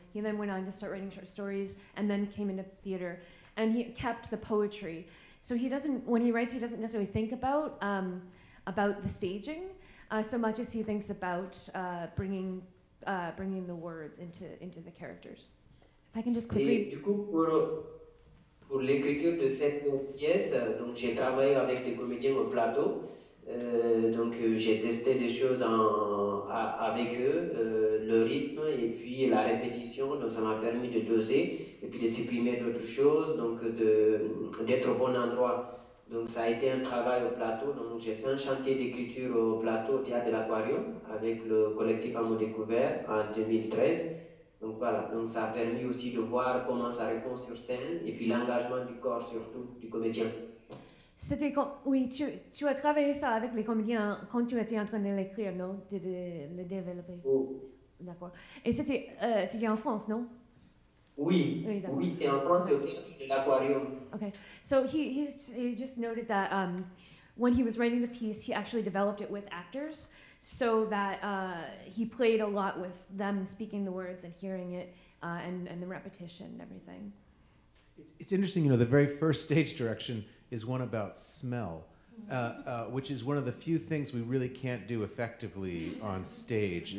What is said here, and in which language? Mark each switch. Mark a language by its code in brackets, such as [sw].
[en] He then went on to start writing short stories and then came into theater, and he kept the poetry. So he doesn't, when he writes, he doesn't necessarily think about the staging so much as he thinks about bringing the words into the characters. If I can just quickly. [fr] Et du coup, pour l'écriture de cette pièce, donc j'ai travaillé avec des comédiens au plateau. Donc j'ai testé des choses avec eux, le rythme et puis la répétition, donc ça m'a permis de doser et puis de supprimer d'autres choses, donc d'être au bon endroit. Donc ça a été un travail au plateau, donc j'ai fait un chantier d'écriture au plateau au Théâtre de l'Aquarium avec le collectif Amour Découvert en 2013. Donc voilà, donc ça a permis aussi de voir comment ça répond sur scène et puis l'engagement du corps surtout, du comédien. C'était quand, oui, tu as travaillé ça avec les comédiens quand tu étais en train de l'écrire, non? De le développer. Oh. D'accord. Et c'était en France, non? Oui. Oui, oui, c'est en France et au Théâtre de l'Aquarium. [en] Okay. So he just noted that when he was writing the piece, he actually developed it with actors so that he played a lot with them speaking the words and hearing it and the repetition and everything. It's interesting, you know, the very first stage direction is one about smell, which is one of the few things we really can't do effectively on stage.